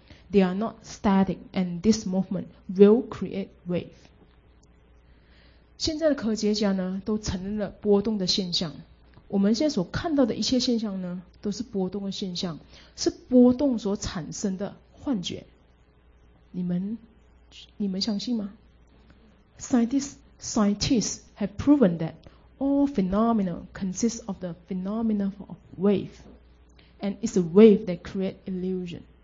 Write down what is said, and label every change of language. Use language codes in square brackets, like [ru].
[en] They are not static, and this movement will create wave. [zh] 现在的科学家呢，都承认了波动的现象。我们现在所看到的一些现象呢，都是波动的现象，是波动所产生的幻觉。你们相信吗？ [en] Scientists have proven that all phenomena consist of the phenomena of wave, and it's a wave that creates illusion.